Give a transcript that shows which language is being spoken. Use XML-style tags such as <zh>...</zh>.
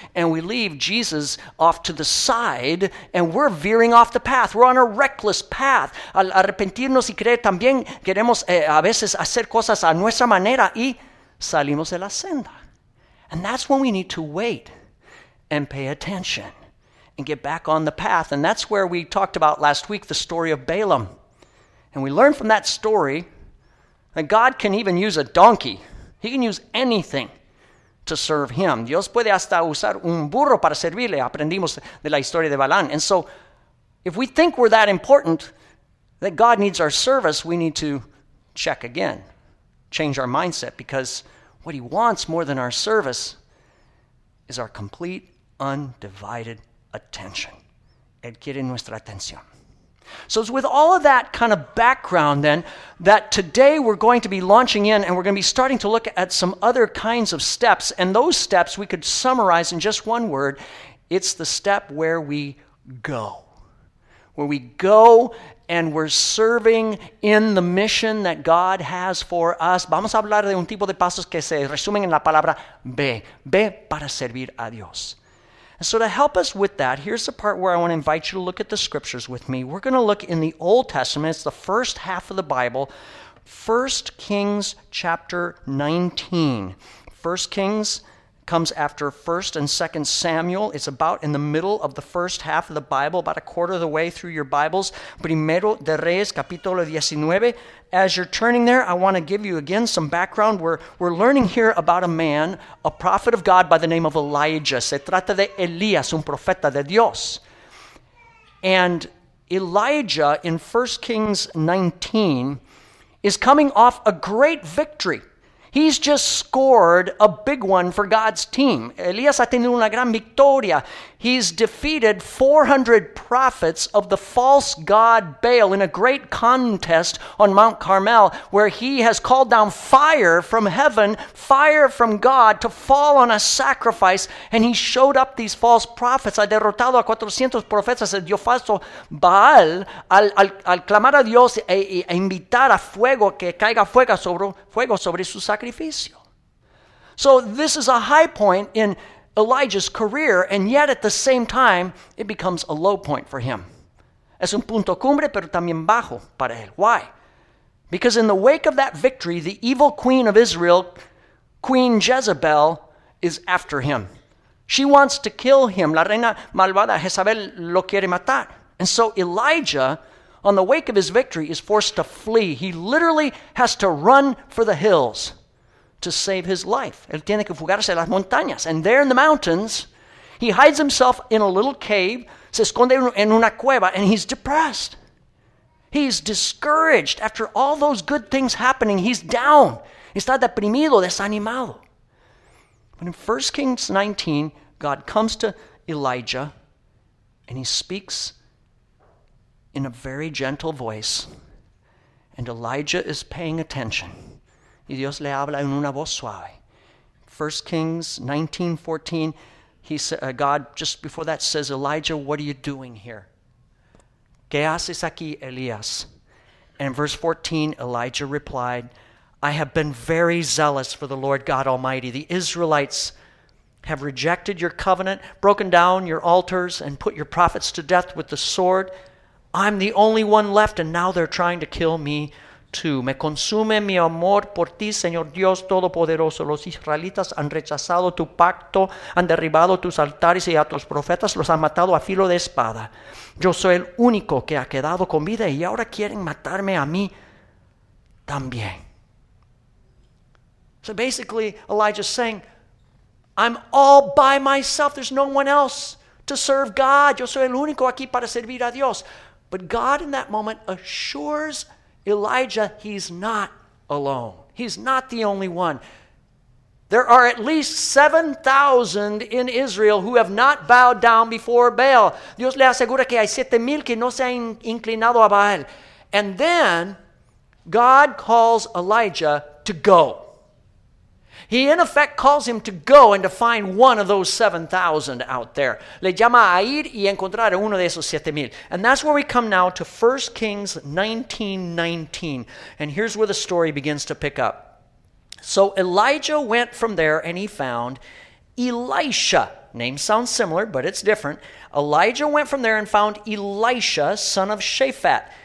<en>And we leave Jesus off to the side and we're veering off the path. We're on a reckless path.</en> <es>Al arrepentirnos y creer también, queremos a veces hacer cosas a nuestra manera y salimos de la senda.</es> <en>And that's when we need to wait and pay attention and get back on the path. And that's where we talked about last week, the story of Balaam. And we learn from that story that God can even use a donkey. He can use anything to serve him.</en> <es>Dios puede hasta usar un burro para servirle. Aprendimos de la historia de Balán.</es> <en>And so if we think we're that important, that God needs our service, we need to check again, change our mindset, because what he wants more than our service is our complete, undivided attention.</en> <es>Él quiere nuestra atención.</es> <en>So it's with all of that kind of background then that today we're going to be launching in and we're going to be starting to look at some other kinds of steps. And those steps we could summarize in just one word. It's the step where we go. Where we go and we're serving in the mission that God has for us.</en> <es>Vamos a hablar de un tipo de pasos que se resumen en la palabra ve. Ve para servir a Dios.</es> <en>So to help us with that, here's the part where I want to invite you to look at the scriptures with me. We're going to look in the Old Testament. It's the first half of the Bible, 1 Kings chapter 19. 1 Kings comes after 1 and 2 Samuel. It's about in the middle of the first half of the Bible, about a quarter of the way through your Bibles.</en> <es>Primero de Reyes, capítulo 19.</es> <en>As you're turning there, I want to give you again some background. We're learning here about a man, a prophet of God by the name of Elijah.</en> <es>Se trata de Elías, un profeta de Dios.</es> <en>And Elijah, in 1 Kings 19, is coming off a great victory. He's just scored a big one for God's team.</en> <es>Elías ha tenido una gran victoria.</es> <en>He's defeated 400 prophets of the false god Baal in a great contest on Mount Carmel, where he has called down fire from heaven, fire from God, to fall on a sacrifice, and he showed up these false prophets.</en> <es>Ha derrotado a 400 profetas de Dios falso Baal al clamar a Dios e invitar a fuego que caiga fuego sobre su sacrificio.</es> <en>So this is a high point in Elijah's career, and yet at the same time, it becomes a low point for him.</en> <es>Es un punto cumbre, pero también bajo para él.</es> <en>Why? Because in the wake of that victory, the evil queen of Israel, Queen Jezebel, is after him. She wants to kill him.</en> <es>La reina malvada Jezabel lo quiere matar.</es> <en>And so Elijah, on the wake of his victory, is forced to flee. He literally has to run for the hills to save his life.</en> <es>Él tiene que fugarse a las montañas.</es> <en>And there in the mountains, he hides himself in a little cave,</en> <es>se esconde en una cueva,</es> <en>and he's depressed. He's discouraged. After all those good things happening, he's down.</en> <es>Está deprimido, desanimado.</es> <en>But in 1 Kings 19, God comes to Elijah, and he speaks in a very gentle voice, and Elijah is paying attention.</en> <es>Y Dios le habla en una voz suave.</es> <en>1 Kings 19:14, God just before that says, Elijah, what are you doing here?</en> <es>¿Qué haces aquí, Elías?</es> <en>And in verse 14, Elijah replied, I have been very zealous for the Lord God Almighty. The Israelites have rejected your covenant, broken down your altars, and put your prophets to death with the sword. I'm the only one left, and now they're trying to kill me.</en> <es>Me consume mi amor por ti, Señor Dios Todopoderoso. Los israelitas han rechazado tu pacto, han derribado tus altares y a tus profetas los han matado a filo de espada. Yo soy el único que ha quedado con vida y ahora quieren matarme a mí también.</es> <en>So basically, Elijah's saying, I'm all by myself. There's no one else to serve God.</en> <es>Yo soy el único aquí para servir a Dios.</es> <en>But God in that moment assures Elijah he's not alone. He's not the only one. There are at least 7,000 in Israel who have not bowed down before Baal.</en> <es>Dios le asegura que hay 7,000 que no se han inclinado a Baal.</es> <en>And then God calls Elijah to go. He in effect calls him to go and to find one of those 7,000 out there.</en> <es>Le llama a ir y encontrar a uno de esos 7,000.</es> <en>And that's where we come now to 1 Kings 19:19. And here's where the story begins to pick up. So Elijah went from there and he found Elisha. Name sounds similar, but it's different. Elijah went from there and found Elisha, son of Shaphat.</en>